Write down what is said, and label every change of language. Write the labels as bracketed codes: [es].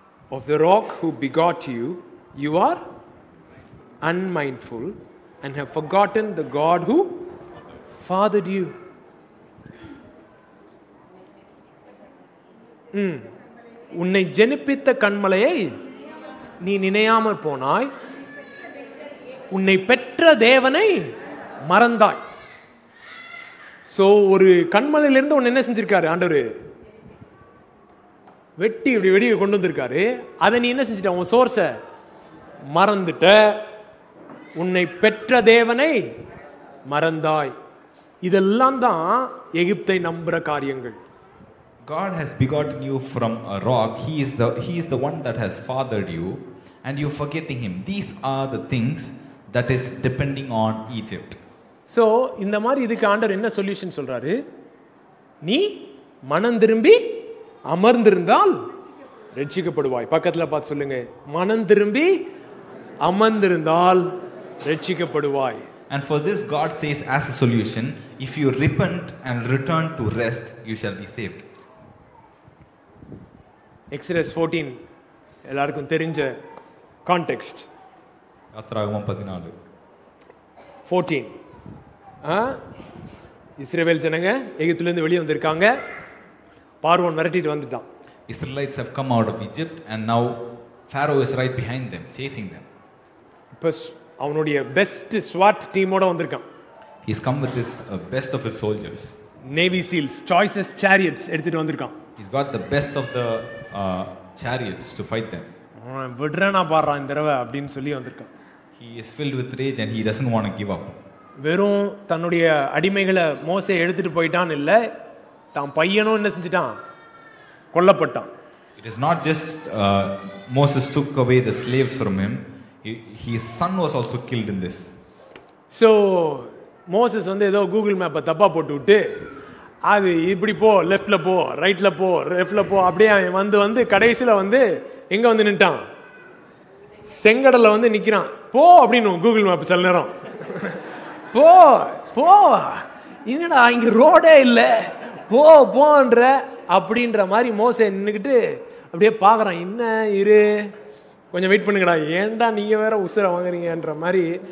[en] Of the rock who begot you, you are unmindful and have forgotten the God who fathered you. [ta] உன்னை ஜெனிப்பித்த கண்மலையை நீ நினையாமல் போனாய், உன்னை பெற்ற தேவனை மறந்தாய். ஸோ ஒரு கண்மலையிலிருந்து ஒன்று என்ன செஞ்சிருக்காரு ஆண்டவர்? வெட்டி இப்படி வெடி கொண்டு வந்திருக்காரு. அதை நீ என்ன செஞ்சிட்ட? உன் சோர்ஸை மறந்துட்ட, உன்னை பெற்ற தேவனை மறந்தாய். இதெல்லாம் தான் எகிப்தை நம்புற காரியங்கள். [en] God has begotten you from a rock. He is the one that has fathered you, and you forgetting him. These are the things that is depending on Egypt. [ta] So இந்த மாதிரி இதுக்கு ஆண்டவர் என்ன சொல்யூஷன் சொல்றாரு? நீ மனம் திரும்பி அமர்ந்திருந்தால் ரட்சிக்கப்படுவாய். பக்கத்தில் பார்த்து சொல்லுங்க, மனம் திரும்பி அமர்ந்திருந்தால் ரட்சிக்கப்படுவாய். [en] And for this God says as a solution, if you repent and return to rest, you shall be saved. [ta] Exodus 14, ellarkum therinja context. Yathragamam 14. 14. இஸ்ரேவேல் ஜனங்க எகிப்திலிருந்து வெளியே வந்திருக்காங்க. பார்வோன் விரட்டிட்டு வந்துட்டான். [en] Israelites have come out of Egypt and now Pharaoh is right behind them chasing them. [ta] அவனுடைய best SWAT டீமோட வந்திருக்கான். [en] He's come with his best of his soldiers. Navy SEALs, choicest chariots [ta] எடுத்துட்டு வந்திருக்கான். [en] He's got the best of the chariots to fight them. [ta] விடுறேனா பாறான் இந்த தடவை அப்படின்னு சொல்லி வந்திருக்கான். [en] He is filled with rage and he doesn't want to give up. [ta] வெறும் தன்னுடைய அடிமைகளை மோசே எடுத்துட்டு போயிட்டான்னு இல்லை, தான் பையனும் என்ன செஞ்சிட்டான், கொல்லப்பட்டான். [en] It is not just Moses took away the slaves from him, his son was also killed in this. [ta] So Moses வந்து ஏதோ கூகுள் மேப்பை தப்பா போட்டு விட்டு அது இப்படி போ, லெஃப்ட்ல போ, ரைட்ல போ, லெஃப்ட்ல போ அப்படியே வந்து வந்து கடைசியில வந்து எங்க வந்து நின்றான், செங்கடல்ல வந்து நிக்கிறான், போ அப்படின்னு கூகுள் மேப் சில நேரம் போ போ, என்னடா இங்க ரோடே இல்லை, போ போன்ற அப்படின்ற மாதிரி மோசே நின்றுக்கிட்டு அப்படியே பார்க்குறான், என்ன இரு கொஞ்சம் வெயிட் பண்ணுங்கடா, ஏன்டா நீங்கள் வேற உசுரை வாங்குறீங்கன்ற மாதிரி.